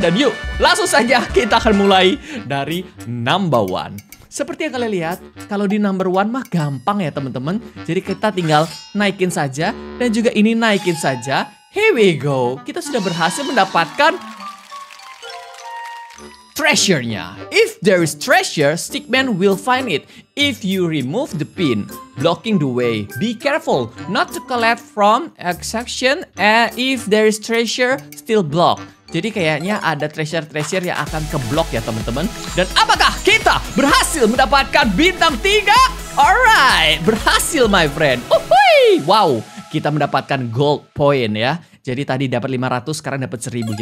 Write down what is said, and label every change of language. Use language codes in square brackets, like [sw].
[id] Dan yuk, langsung saja kita akan mulai dari [en] number one. [id] Seperti yang kalian lihat, kalau di [en] number one [id] mah gampang ya teman-teman. Jadi kita tinggal naikin saja, dan juga ini naikin saja. [en] Here we go, [id] kita sudah berhasil mendapatkan treasure-nya. [en] If there is treasure, Stickman will find it. If you remove the pin blocking the way, be careful not to collect from exception. If there is treasure, still block. [id] Jadi kayaknya ada treasure-treasure yang akan keblok ya teman-teman. Dan apakah kita berhasil mendapatkan bintang 3? [en] Alright, [id] berhasil [en] my friend. [id] Uhuy. Wow, kita mendapatkan gold point ya. Jadi tadi dapat 500, sekarang dapat 1000.